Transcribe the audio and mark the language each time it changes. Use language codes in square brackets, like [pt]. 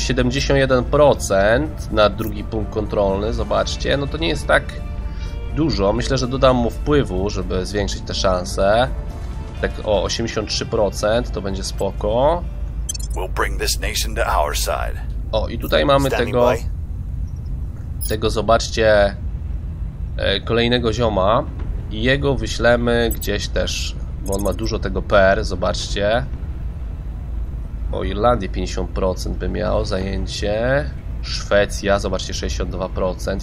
[pl] 71% na drugi punkt kontrolny, zobaczcie. No to nie jest tak dużo. Myślę, że dodam mu wpływu, żeby zwiększyć te szanse. Tak, o, 83% to będzie spoko. [en] We'll bring this nation to our side. [pl] O, i tutaj mamy tego, zobaczcie, kolejnego zioma. I jego wyślemy gdzieś też, bo on ma dużo tego PR, zobaczcie. O, Irlandii 50% by miał zajęcie. Szwecja, zobaczcie, 62%.